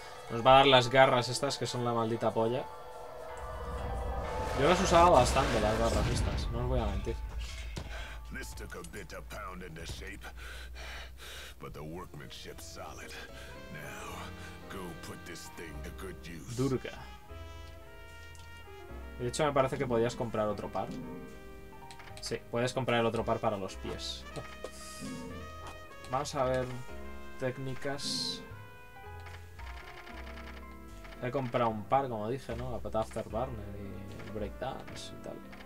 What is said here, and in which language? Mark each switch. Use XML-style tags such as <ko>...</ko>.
<es>Nos va a dar las garras estas, que son la maldita polla. Yo las usaba bastante, las garras estas, no os voy a mentir.</es> <en>This took a bit to pound into shape, but the workmanship's solid. Now, go put this thing to good use.</en> <es>Durga. De hecho, me parece que podías comprar otro par. Sí, puedes comprar el otro par para los pies. Vamos a ver técnicas. He comprado un par, como dije, ¿no? La patada Afterburner y Breakdance y tal.</es>